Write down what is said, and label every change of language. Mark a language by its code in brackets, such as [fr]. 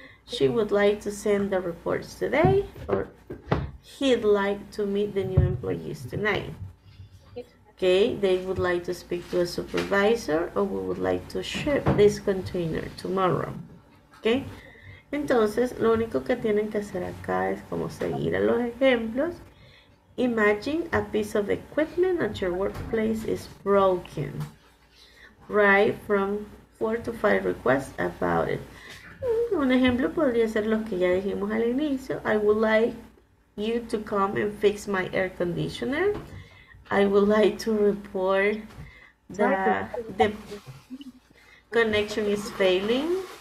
[en] She would like to send the reports today, or he'd like to meet the new employees tonight. Okay, they would like to speak to a supervisor, or we would like to ship this container tomorrow. Okay. [es] Entonces, lo único que tienen que hacer acá es como seguir a los ejemplos. [en] Imagine a piece of equipment at your workplace is broken. Write from 4 to 5 requests about it. [es] Un ejemplo podría ser lo que ya dijimos al inicio. [en] I would like you to come and fix my air conditioner. I would like to report that the connection is failing.